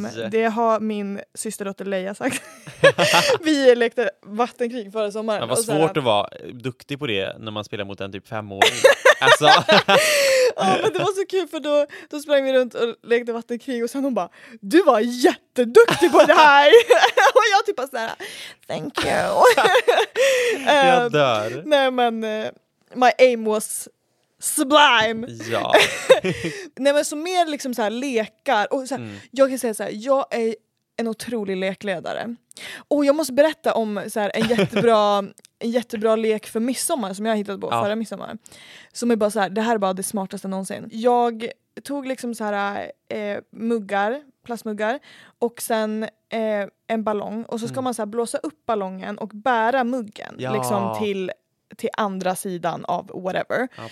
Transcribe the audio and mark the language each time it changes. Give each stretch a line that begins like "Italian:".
Swedish: Det har min systerdotter Leia sagt. Vi lekte vattenkrig förra sommaren. Men vad svårt att vara duktig på det när man spelar mot en typ 5-åring. Alltså. Ja, men det var så kul för då sprang vi runt och lekte vattenkrig och sen hon bara, du var jätteduktig på det här! Och jag typ bara såhär,
English: thank you.
Swedish: Jag dör. Nej, men
English: my aim was sublime.
Swedish: Ja. Nej, men så mer liksom så här lekar. Och så här, jag kan säga så här, jag är en otrolig lekledare. Och jag måste berätta om så här, en jättebra... en jättebra lek för midsommar som jag hittat på förra midsommar. Som är bara så här, det här är bara det smartaste någonsin. Jag tog liksom så här muggar, plastmuggar och sen en ballong och så ska man så här blåsa upp ballongen och bära muggen liksom till andra sidan av whatever.